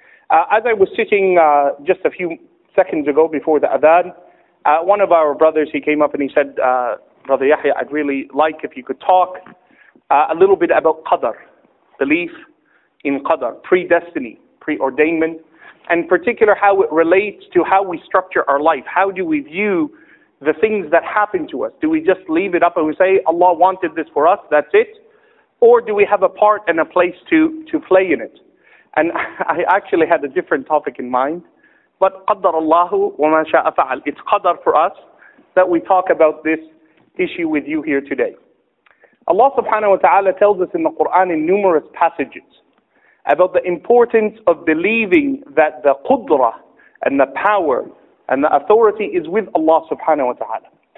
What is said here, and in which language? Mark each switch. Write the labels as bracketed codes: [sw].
[en] As I was sitting just a few seconds ago before the Adhan, one of our brothers, he came up and he said, Brother Yahya, I'd really like if you could talk a little bit about Qadr, belief in Qadr, predestiny, preordainment, and in particular how it relates to how we structure our life. How do we view the things that happen to us? Do we just leave it up and we say, Allah wanted this for us, that's it? Or do we have a part and a place to play in it? And I actually had a different topic in mind. [ar] But قَدَّرَ اللَّهُ وَمَا شَاءَ فَعَلْ. [en] It's Qadr for us that we talk about this issue with you here today. Allah subhanahu wa ta'ala tells us in the Qur'an in numerous passages about the importance of believing that the qudra and the power and the authority is with Allah subhanahu wa ta'ala.